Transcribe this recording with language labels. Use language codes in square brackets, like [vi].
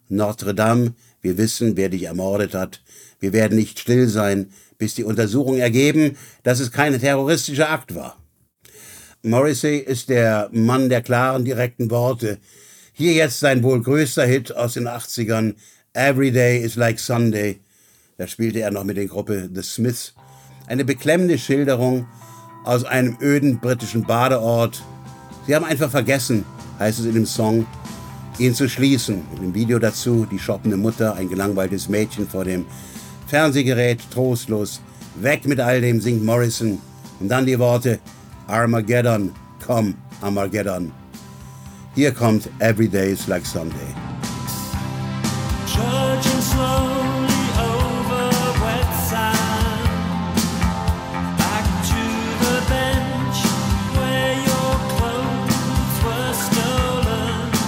[de] Notre Dame, wir wissen, wer dich ermordet hat. Wir werden nicht still sein, bis die Untersuchungen ergeben, dass es kein terroristischer Akt war. Morrissey ist der Mann der klaren, direkten Worte. Hier jetzt sein wohl größter Hit aus den 80ern. [en] Every day is like Sunday. [de] Da spielte er noch mit der Gruppe The Smiths. Eine beklemmende Schilderung aus einem öden britischen Badeort. Sie haben einfach vergessen, heißt es in dem Song, ihn zu schließen. In dem Video dazu die shoppende Mutter, ein gelangweiltes Mädchen vor dem Fernsehgerät, trostlos. Weg mit all dem, singt Morrison. Und dann die Worte, Armageddon, komm Armageddon. Hier kommt Every day is like Sunday. [en] Trudging slowly over wet sand, back to the bench where your clothes were stolen.